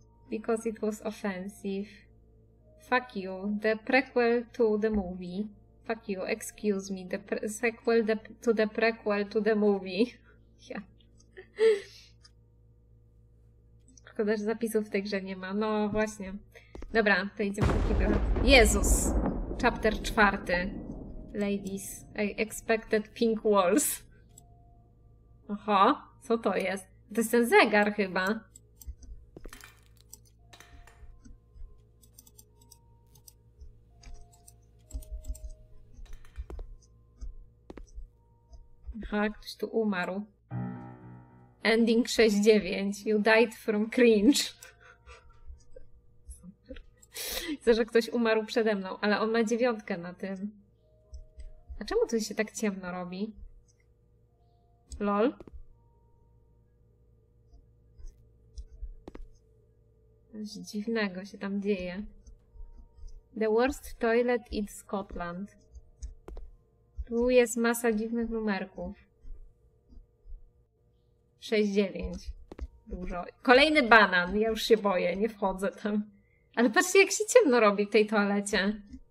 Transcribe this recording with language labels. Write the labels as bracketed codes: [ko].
[en] Because it was offensive. Fuck you. The prequel to the movie. Fuck you. Excuse me. The sequel to the prequel to the movie. Yeah. [pl] Szkoda, że zapisów w tej grze nie ma. No właśnie. Dobra, to idziemy taki trochę. [en] Jezus. Chapter 4. Ladies. I expected pink walls. [pl] Oho, co to jest? To jest ten zegar chyba. Aha, ktoś tu umarł. Ending 6-9. [en] You died from cringe. [pl] Chcę, że ktoś umarł przede mną, ale on ma 9 na tym. A czemu tu się tak ciemno robi? Lol. Coś dziwnego się tam dzieje. [en] The worst toilet in Scotland. [pl] Tu jest masa dziwnych numerków. 6-9. Dużo. Kolejny banan. Ja już się boję, nie wchodzę tam. Ale patrzcie, jak się ciemno robi w tej toalecie.